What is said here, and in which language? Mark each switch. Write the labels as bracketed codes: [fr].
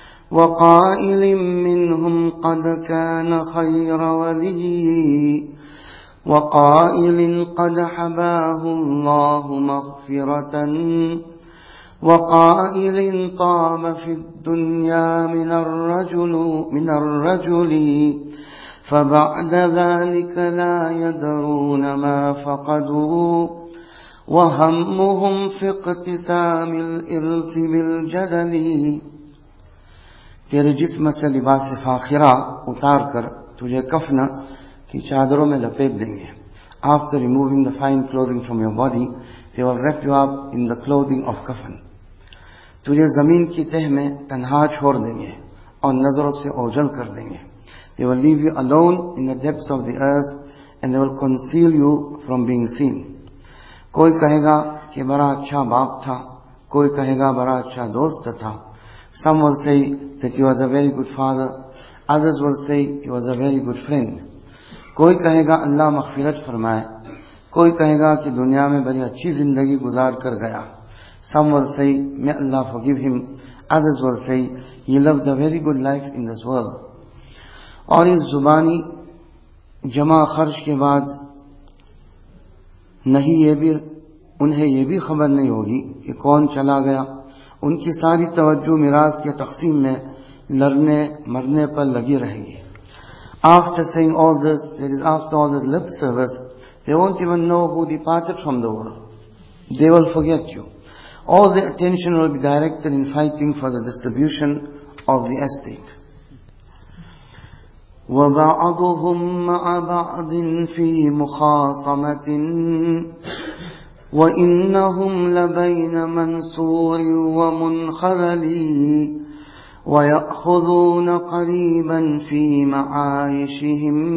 [ar] وقائل منهم قد كان خير ولي وقائل قد حباه الله مغفرة وقائل طام في الدنيا من الرجل فبعد ذلك لا يدرون ما فقدوا وهمهم في اقتسام الإرث بالجدل. [ur] تیرے جسم سے لباس فاخرہ اتار کر تجھے کفنا کی چادروں میں لپیٹ دیں گے. [en] After removing the fine clothing from your body, they will wrap you up in the clothing of kafan. [ur] تجھے زمین کی تہ میں تنہا چھوڑ دیں گے اور نظروں سے اوجل کر دیں گے. [en] They will leave you alone in the depths of the earth and they will conceal you from being seen. [ur] کوئی کہے گا کہ بڑا اچھا باپ تھا, کوئی کہے گا بڑا اچھا دوست تھا. [en] Some will say that he was a very good father, others will say he was a very good friend. [ur] کوئی کہے گا اللہ مغفرت فرمائے, کوئی کہے گا کہ دنیا میں بڑی اچھی زندگی گزار کر گیا. [en] Some will say may Allah forgive him, others will say he lived a very good life in this world. [ur] اور اس زبانی جمع خرچ کے بعد نہیں یہ بھی انہیں یہ بھی خبر نہیں ہوگی کہ کون چلا گیا. ان کی ساری توجہ میراث کے تقسیم میں لڑنے مرنے پر لگی رہے گی. [en] After saying all this, that is after all this lip service, they won't even know who departed from the world. They will forget you. All the attention will be directed in fighting for the distribution of the estate. [ar] وَبَعَضُهُمْ مَعَ بَعْضٍ فِي مُخَاصَمَةٍ وَإِنَّهُمْ لَبَيْنَ مَنْصُورٍ وَمُنْخَذَلِي وَيَأْخُذُونَ قَرِيبًا فِي مَعَايِشِهِمْ